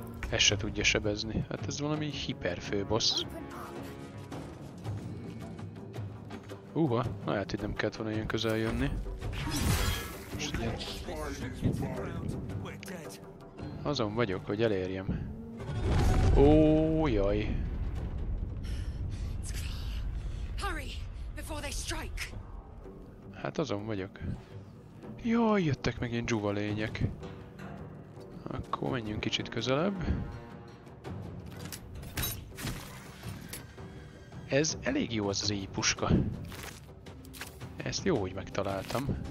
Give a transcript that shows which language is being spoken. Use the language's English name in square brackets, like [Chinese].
[Hungarian] Ez se tudja sebezni. Hát ez valami hiperfőbossz. Húha, na hát itt nem kellett volna ilyen közel jönni. Most ilyen... Azon vagyok, hogy elérjem. Ó, jaj. [English] Hurry before they strike. [Hungarian] Hát azon vagyok. Jaj, jöttek megint dzsuva lények. Akkor menjünk kicsit közelebb. Ez elég jó, az éj puska. Ezt jó, hogy megtaláltam.